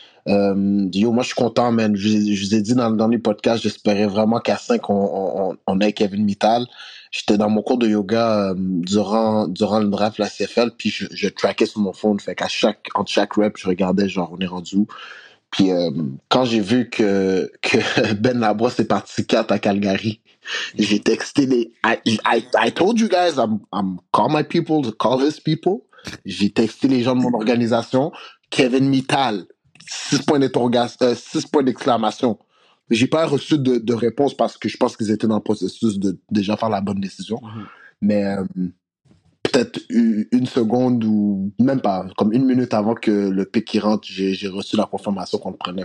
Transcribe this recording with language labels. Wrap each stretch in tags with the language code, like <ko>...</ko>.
<fr>Yo, moi, je suis content, man. Je vous ai dit dans les podcasts, j'espérais vraiment qu'à 5, on ait Kevin Mittal. J'étais dans mon cours de yoga durant le draft de la CFL, puis je traquais sur mon phone. Fait qu'à entre chaque rep, je regardais, genre, on est rendu où. Puis quand j'ai vu que Ben Labrosse est parti 4 à Calgary, j'ai texté les...</fr> <en>I told you guys, I'm call my people to call his people.</en> <fr>J'ai texté les gens de mon organisation, Kevin Mittal. 6 points d'exclamation. J'ai pas reçu de réponse parce que je pense qu'ils étaient dans le processus de déjà faire la bonne décision. Mm-hmm. Mais peut-être une seconde ou même pas, comme une minute avant que le pic rentre, j'ai reçu la confirmation qu'on le prenait.</fr>